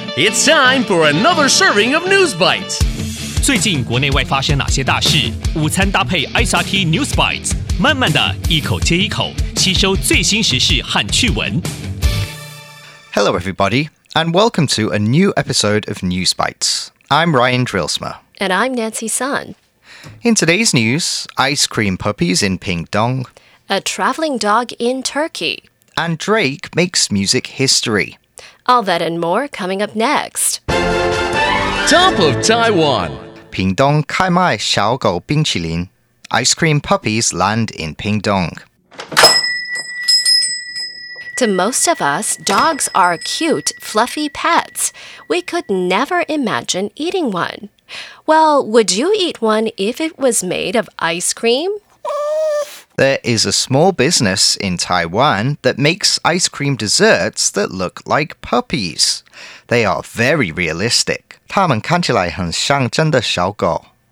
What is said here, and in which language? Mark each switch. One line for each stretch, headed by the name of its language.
English: It's time for another serving of News Bites.
Chinese: 最近国内外发生哪些大事？午餐搭配 SRT News Bites， 慢慢的一口接一口，吸收最新时事和趣闻。
English: Hello, everybody, and welcome to a new episode of News Bites. I'm Ryan Drilsma. And I'm Nancy Sun. In today's news, ice cream puppies in Pingdong. A traveling dog in Turkey. And Drake makes music history. All that and more coming up next. Top of Taiwan. Pingdong
Chinese: 开卖小狗冰淇淋.
English: Ice cream puppies land in Pingdong. To most of us, dogs are cute, fluffy pets. We could never imagine eating one. Well, would you eat one if it was made of ice cream? There is a small business in Taiwan that makes ice cream desserts that look like puppies. They are very realistic.
Chinese: 他们看起来很像真的小狗。